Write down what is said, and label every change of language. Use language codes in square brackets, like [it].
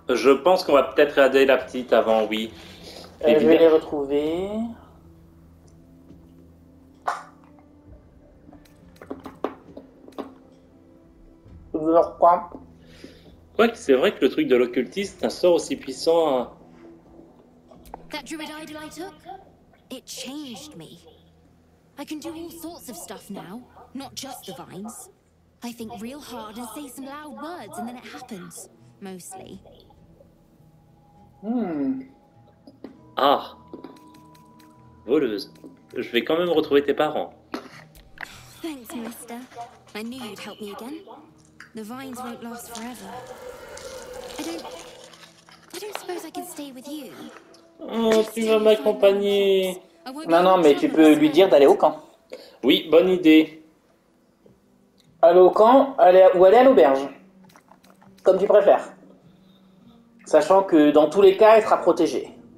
[fr] Je pense qu'on va peut-être aider la petite avant, oui. Je vais les retrouver. Quoi que c'est vrai que le truc de l'occultiste est un sort aussi puissant. [en] That druid idol I took, it changed me. I can do all sorts of stuff now, not just the vines. I think real hard and say some loud words and then it happens, mostly. [fr] Ah, voleuse, je vais quand même retrouver tes parents. [en] Thanks, mister. I knew you'd help me again. The vines won't last forever. I don't suppose I can stay with you. [fr] Oh, tu vas m'accompagner. Non, non, mais tu peux lui dire d'aller au camp. Oui, bonne idée. Aller au camp ou aller à l'auberge. Comme tu préfères. Sachant que dans tous les cas, elle sera protégée.